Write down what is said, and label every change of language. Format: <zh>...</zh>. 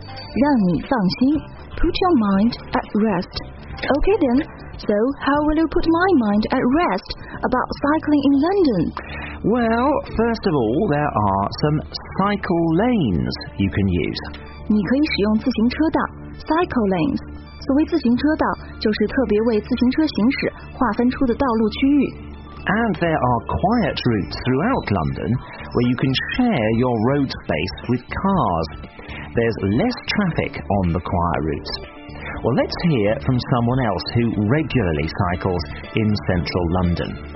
<zh>让你放心</zh> <en>put your mind at rest. Okay then, so how will you put my mind at rest about cycling in London? Well, first of all, there are some cycle lanes you can use.</en> <zh>你可以使用自行车道</zh> <en>cycle lanes.</en> <zh>所谓自行车道就是特别为自行车行驶划分出的道路区域。</zh> <en>And there are quiet routes throughout London where you can share your road space with cars. There's less traffic on the quiet routes. Well, let's hear from someone else who regularly cycles in central London.</en>